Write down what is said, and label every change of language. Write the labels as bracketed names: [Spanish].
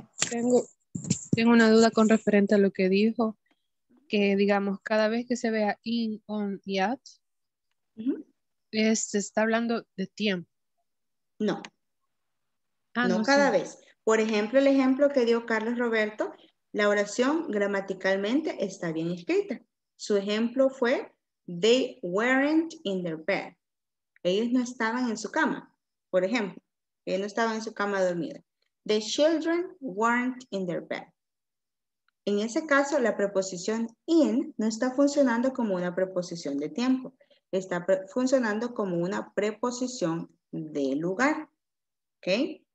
[Spanish] Tengo una duda con referente a lo que dijo, que digamos, cada vez que se vea in, on y at, se está hablando de tiempo. No. Ah, no, no cada sí. vez. Por ejemplo, el ejemplo que dio Carlos Roberto, la oración gramaticalmente está bien escrita. Su ejemplo fue, [English] they weren't in their bed. [Spanish] Ellos no estaban en su cama, por ejemplo. Ellos no estaban en su cama dormida. [English] The children weren't in their bed. [Spanish] En ese caso, la preposición in no está funcionando como una preposición de tiempo. Está funcionando como una preposición de lugar. ¿Ok?